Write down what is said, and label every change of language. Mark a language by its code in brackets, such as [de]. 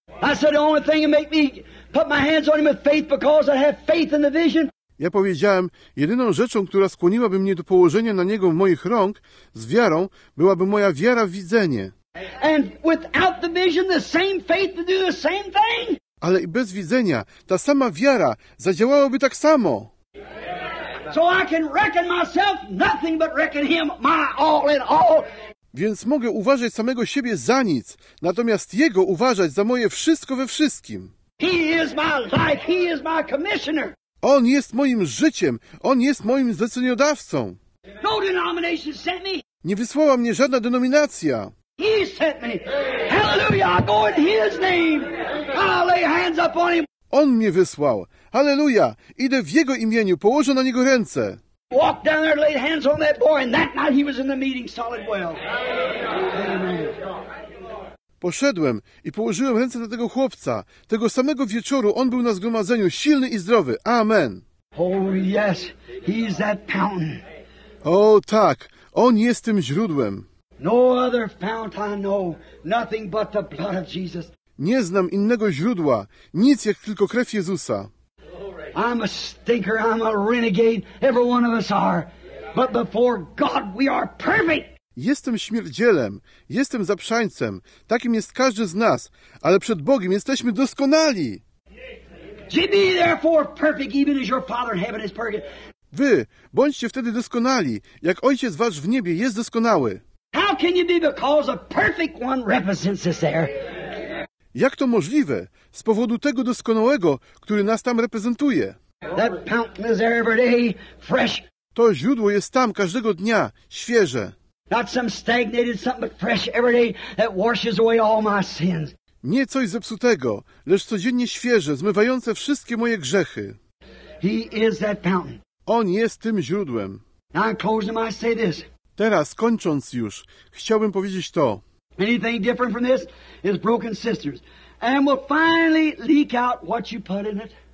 [en] I said the only thing that make me put my hands on him with faith because I have faith in the vision. [pl] Ja powiedziałem, jedyną rzeczą, która skłoniłaby mnie do położenia na niego moich rąk z wiarą, byłaby moja wiara w widzenie. [en] And without the vision, the same faith to do the same thing. [pl] Ale i bez widzenia ta sama wiara zadziałałaby tak samo. [en] So I can reckon myself nothing but reckon him my all in all. [pl] Więc mogę uważać samego siebie za nic, natomiast Jego uważać za moje wszystko we wszystkim. [en] He is my life. He is my commissioner. [pl] On jest moim życiem. On jest moim zleceniodawcą. [en] No denomination sent me. [pl] Nie wysłała mnie żadna denominacja. [en] He sent me. Hallelujah, I go in his name. I'll lay hands up on him. [pl] On mnie wysłał. Hallelujah, idę w Jego imieniu, położę na Niego ręce. [en] Walked down there and laid hands on that boy, and that night he was in the meeting solid well. [pl] Poszedłem i położyłem ręce na tego chłopca. Tego samego wieczoru on był na zgromadzeniu silny i zdrowy. [en] Amen. Oh yes, he's that fountain. [pl] O tak, on jest tym źródłem. [en] No other fountain I know, nothing but the blood of Jesus. [pl] Nie znam innego źródła, nic jak tylko krew Jezusa. [en] I'm a stinker, I'm a renegade, every one of us are. But before God we are perfect. [pl] Jestem śmierdzielem, jestem zaprzańcem, takim jest każdy z nas, ale przed Bogiem jesteśmy doskonali. [en] Be therefore perfect, even as your Father in heaven is perfect. [pl] Wy bądźcie wtedy doskonali, jak Ojciec wasz w niebie jest doskonały. [en] How can you be because a perfect one represents us there? [pl] Jak to możliwe? Z powodu tego doskonałego, który nas tam reprezentuje. [en] That fountain is there every day, fresh. [pl] To źródło jest tam każdego dnia, świeże. [en] Not some stagnated something, but fresh every day that washes away all my sins. [pl] Nie coś zepsutego, lecz codziennie świeże, zmywające wszystkie moje grzechy. [en] He is that fountain. [pl] On jest tym źródłem. [en] Now in closing, I say this. [pl] Teraz, kończąc już, chciałbym powiedzieć to. [en] Anything different from this is broken sisters. And will finally leak out what you put in it.